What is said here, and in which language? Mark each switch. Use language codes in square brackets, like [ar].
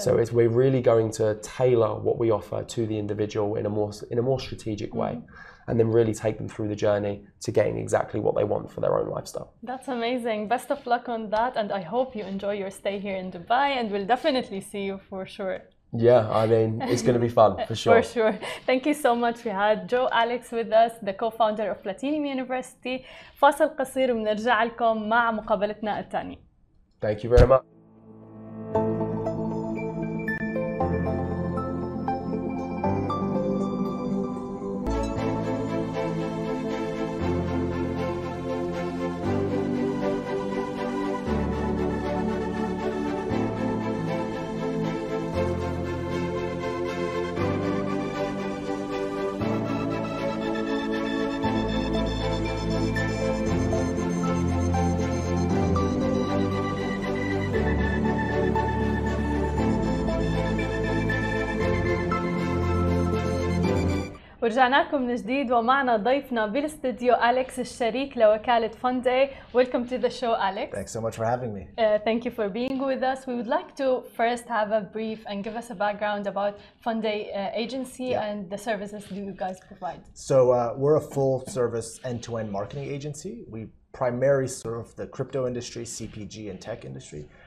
[en] So it's, we're really going to tailor what we offer to the individual in a more strategic way, and then really take them through the journey to getting exactly what they want for their own lifestyle. That's amazing. Best of luck on that, and I hope you enjoy your stay here in Dubai, and we'll definitely see you for sure. Yeah, I mean, it's going to be fun, for sure. For sure. Thank you so much. We had Joe Alex with us, the co-founder of Platinum University. [ar] فاصل قصير ونرجع لكم مع مقابلتنا الثانية. [en] Thank you very much. [ar] ورجعنا لكم من جديد ومعنا ضيفنا بالاستديو أليكس الشريك لوكالة فوندي. [en] Welcome to the show, Alex. Thanks so much for having me. Thank you for being with us. We would like to first have a brief and give us a background about Fuende Agency and the services do you guys provide. So we're a full service end-to-end marketing agency. We primarily serve the crypto industry, CPG and tech industry.